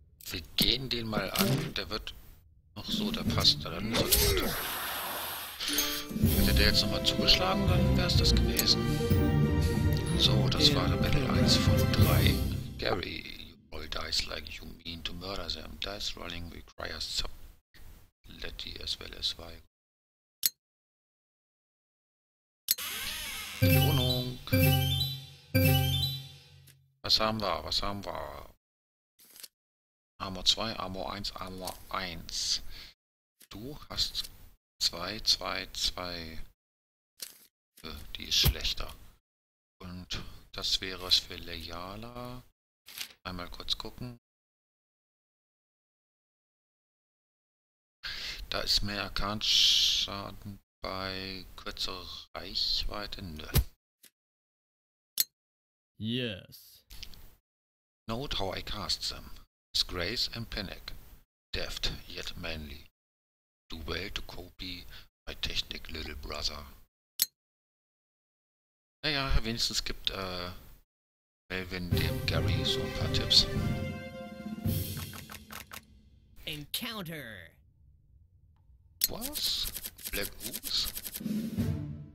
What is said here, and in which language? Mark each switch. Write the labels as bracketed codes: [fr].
[de] Wir gehen den mal an. Der wird. Ach so, der passt. Dann ist er gut. Hätte der jetzt nochmal zugeschlagen, dann wäre es das gewesen. So, das war der Battle 1 von 3. [en] Gary, you roll dice like you mean to murder them. Dice rolling requires some letty as well as why. [de] Belohnung. Was haben wir? Armor 2, Armor 1, Armor 1. Du hast 2, 2, 2. Die ist schlechter. Und das wäre es für Layala. Einmal kurz gucken. Da ist mehr Arcane-Schaden bei kürzerer Reichweite. Nö. [en] Yes. Note how I cast them. Disgrace and panic. Deft, yet manly. Do well to copy my technic, little brother. [de] Naja, wenigstens gibt Melvin dem Gary so ein paar Tipps. [en] Encounter! [de] Was? Black Ooze?